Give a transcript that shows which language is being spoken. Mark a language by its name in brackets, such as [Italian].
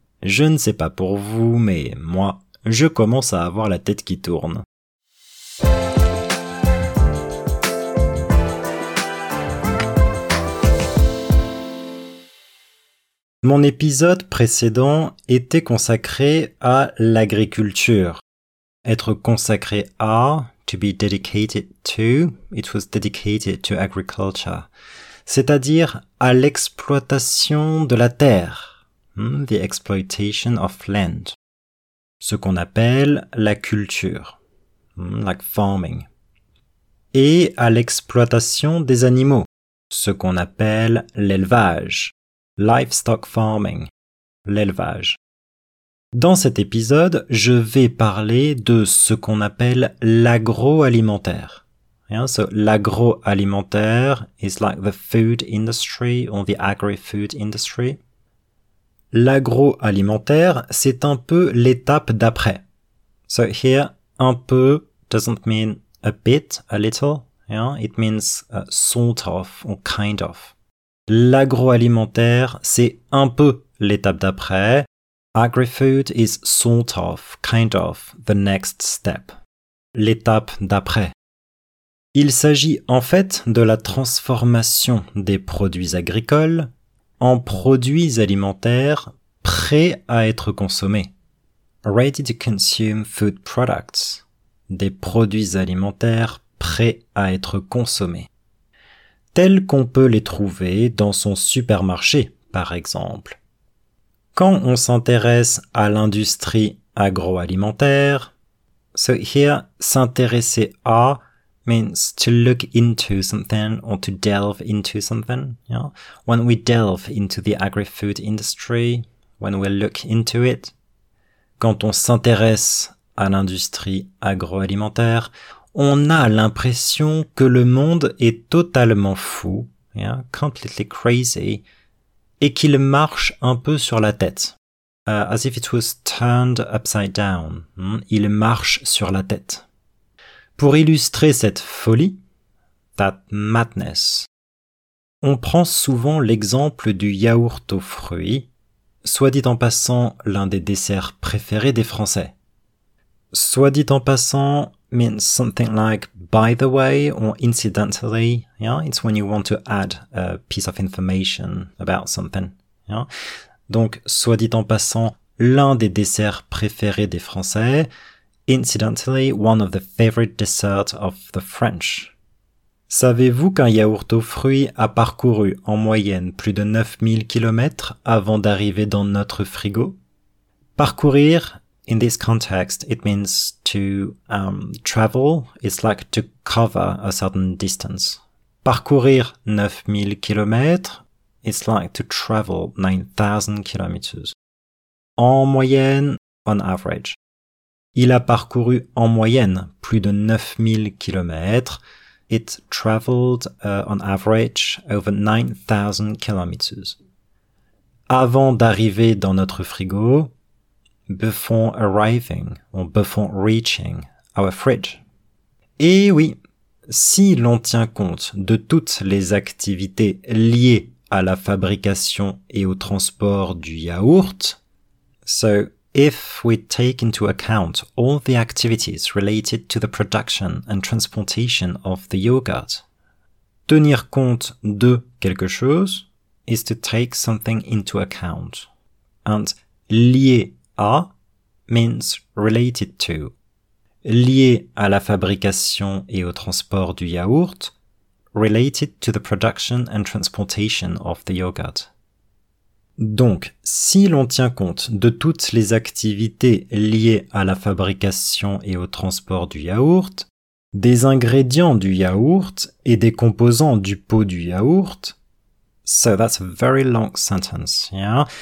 [French] Je ne sais pas pour vous, mais moi, je commence à avoir la tête qui tourne. Mon épisode précédent était consacré à l'agriculture. Être consacré à, [English] to be dedicated to, it was dedicated to agriculture. [French] C'est-à-dire à l'exploitation de la terre. [English] The exploitation of land. [French] Ce qu'on appelle la culture. [English] Like farming. [French] Et à l'exploitation des animaux. Ce qu'on appelle l'élevage. [English] Livestock farming, [French] l'élevage. Dans cet épisode, je vais parler de ce qu'on appelle l'agroalimentaire. [English] So, l'agroalimentaire is like the food industry or the agri-food industry. [French] L'agroalimentaire, c'est un peu l'étape d'après. [English] So here, un peu doesn't mean a bit, a little. Yeah? It means sort of or kind of. [French] L'agroalimentaire, c'est un peu l'étape d'après. [English] Agri-food is sort of, kind of, the next step. [French] l'étape d'après. Il s'agit en fait de la transformation des produits agricoles en produits alimentaires prêts à être consommés. [English] Ready to consume food products. [French] Des produits alimentaires prêts à être consommés. Tels qu'on peut les trouver dans son supermarché, par exemple. Quand on s'intéresse à l'industrie agroalimentaire, [English] so here, s'intéresser à means to look into something or to delve into something. Yeah? When we delve into the agri-food industry, when we look into it. [French] Quand on s'intéresse à l'industrie agroalimentaire, on a l'impression que le monde est totalement fou, yeah? [English] Completely crazy, [French] et qu'il marche un peu sur la tête. [English] As if it was turned upside down. [French] Il marche sur la tête. Pour illustrer cette folie, [English] that madness, [French] on prend souvent l'exemple du yaourt aux fruits, soit dit en passant l'un des desserts préférés des Français. Soit dit en passant [English] means something like by the way or incidentally, yeah? It's when you want to add a piece of information about something, yeah? [French] Donc, soit dit en passant, l'un des desserts préférés des Français, [English] incidentally, one of the favorite desserts of the French. [French] Savez-vous qu'un yaourt aux fruits a parcouru en moyenne plus de 9000 km avant d'arriver dans notre frigo? [English] Parcourir, in this context, it means to travel, it's like to cover a certain distance. [French] Parcourir 9000 km, [English] it's like to travel 9000 kilometers. [French] En moyenne, [English] on average. [French] Il a parcouru en moyenne plus de 9000 kilomètres. [English] It traveled on average over 9000 kilometers. [French] Avant d'arriver dans notre frigo, [English] before arriving or before reaching our fridge. [French] Et oui, si l'on tient compte de toutes les activités liées à la fabrication et au transport du yaourt. [English] So, if we take into account all the activities related to the production and transportation of the yogurt, [French] tenir compte de quelque chose [English] is to take something into account. And lié à means related to. [French] Lié à la fabrication et au transport du yaourt, [English] related to the production and transportation of the yogurt. [French] Donc, si l'on tient compte de toutes les activités liées à la fabrication et au transport du yaourt, des ingrédients du yaourt et des composants du pot du yaourt, [English] so that's a very long sentence, yeah?